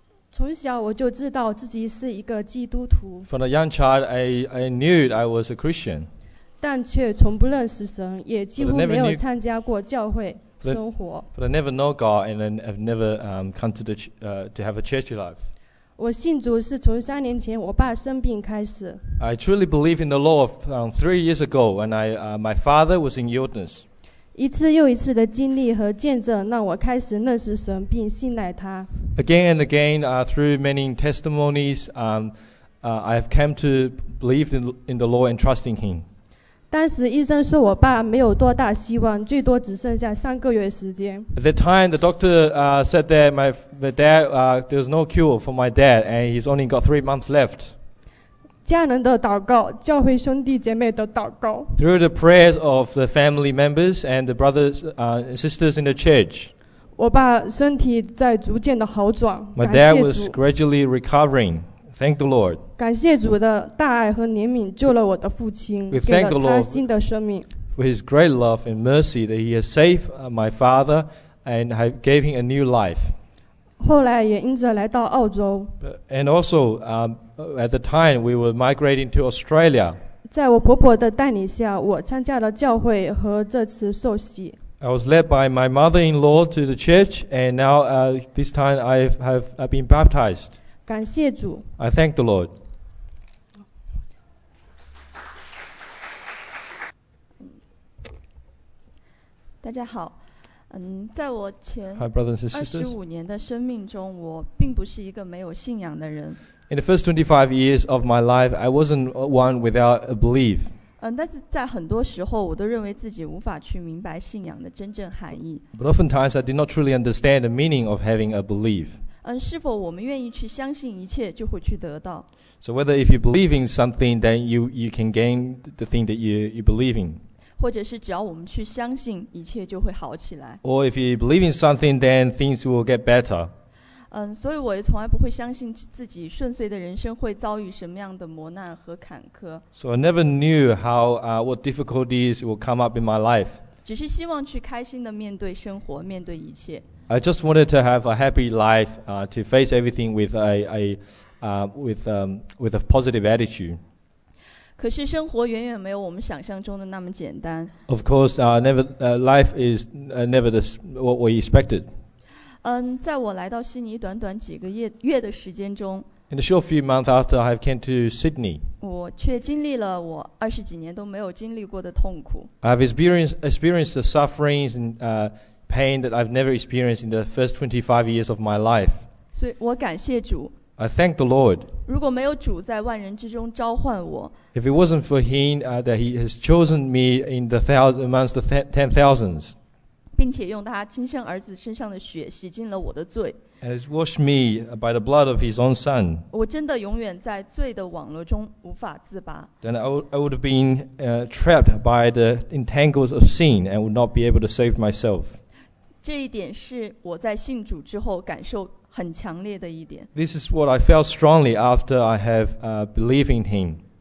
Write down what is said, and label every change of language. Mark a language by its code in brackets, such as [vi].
[zh] 从小我就知道自己是一个基督徒。 [en] From a young child, I knew I was a Christian. [zh] 但却从不认识神，也几乎没有参加过教会生活。 [en] But I never know God, and I've never come to the to have a church life. [zh] 我信主是从三年前我爸生病开始。 [en] I truly believe in the Lord from 3 years ago when my father was in illness. [zh] 一次又一次的经历和见证让我开始认识神并信赖他。 [en] Again and again, through many testimonies, I have come to believe in the Lord and trusting him. [zh] 当时医生说我爸没有多大希望，最多只剩下三个月时间。 [en] At that time, the doctor said that my dad, there's no cure for my dad, and he's only got 3 months left. [zh] 家人的祷告，教会兄弟姐妹的祷告。 [en] Through the prayers of the family members and the brothers, sisters in the church. [zh] 我爸身体在逐渐的好转。 [en] My dad was gradually recovering. Thank the Lord. [zh] 感谢主的大爱和怜悯救了我的父亲，给了他新的生命。 [en] For his great love and mercy that he has saved my father and have gave him a new life. [zh] 后来也因着来到澳洲。 [en] And also, at the time we were migrating to Australia. [zh] 在我婆婆的带领下，我参加了教会和这次受洗。 [en] I was led by my mother-in-law to the church, and now, this time I've been baptized. [zh] 感谢主。 [en] I thank the Lord. [zh] 大家好。在我前 25 年的生命中，我并不是一个没有信仰的人。 [en] In the first 25 years of my life, I wasn't one without a belief. [zh] 但是在很多时候，我都认为自己无法去明白信仰的真正含义。 [en] But oftentimes, I did not truly understand the meaning of having a belief. [zh] 是否我们愿意去相信一切，就会去得到。 [en] So whether if you believe in something, then you can gain the thing that you believe in. [zh] 或者是只要我们去相信，一切就会好起来。 [en] Or if you believe in something, then things will get better. [zh] 所以我也从来不会相信自己顺遂的人生会遭遇什么样的磨难和坎坷。 [en] So I never knew how what difficulties will come up in my life. [zh] 只是希望去开心的面对生活，面对一切。 [en] I just wanted to have a happy life, to face everything with a positive attitude. [zh] 可是生活远远没有我们想象中的那么简单。 [en] Of course, life is never the what we expected. [zh] 在我来到悉尼短短几个月的时间中 [en] ，In a short few months after I have come to Sydney, [zh] 我却经历了我二十几年都没有经历过的痛苦。 [en] I have experienced the sufferings and pain that I've never experienced in the first 25 years of my life. [zh] 所以我感谢主。 [en] I thank the Lord. [zh] 如果没有主在万人之中召唤我 [en] If it wasn't for him, that he has chosen me in the amongst the ten thousands. [zh] 并且用他亲生儿子身上的血洗净了我的罪 [en] And has washed me by the blood of his own son. [zh] 我真的永远在罪的网络中无法自拔 [en] Then I would have been trapped by the entangles of sin and would not be able to save myself. [zh] 这一点是我在信主之后感受很强烈的一点。 [en] This is what I felt strongly after I have believed in him.